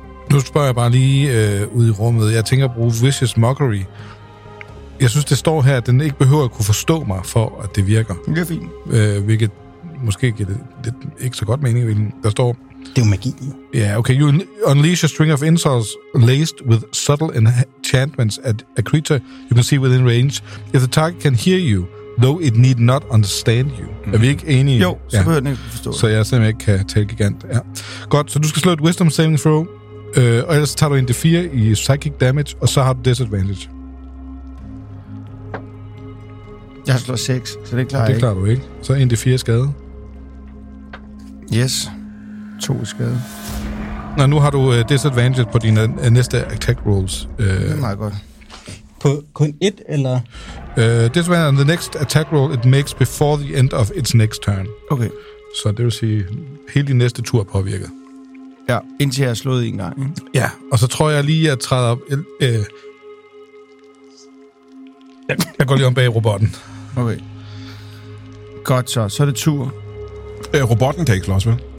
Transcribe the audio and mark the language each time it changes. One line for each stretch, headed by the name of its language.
Danish: Nu spørger jeg bare lige ud i rummet. Jeg tænker at bruge Vicious Mockery. Jeg synes, det står her, at den ikke behøver at kunne forstå mig, for at det virker. Det er fint. Hvilket måske giver det ikke så godt mening. Der står... Det er jo magi. Ja,
English: yeah, okay. You unleash a string of insults laced with subtle enchantments at a creature you can see within range. If the target can hear you, though it need not understand you.
Danish: Mm-hmm. Er vi ikke enige? Jo, så behøver den ikke forstå. Så jeg simpelthen ikke kan tale gigant. Ja. Godt, så du skal slå et Wisdom Saving Throw. Og ellers tager du en D4 i psychic damage, og så har du disadvantage. Jeg slår 6, så det klarer det ikke. Det klarer du ikke. Så en D4 skade. Yes. 2 skade. Nå, nu har du disadvantage på dine næste attack rolls. Det er meget godt. På kun et, eller?
English: This one on the next attack roll it makes before the end of its next turn.
Danish: Okay. Så det vil sige, hele din næste tur påvirket. Ja, indtil jeg har slået en gang. Ja, og så tror jeg lige, at jeg træder op. Jeg går lige om bag robotten. Okay. Godt så. Så er det tur. Robotten kan ikke slås, vel?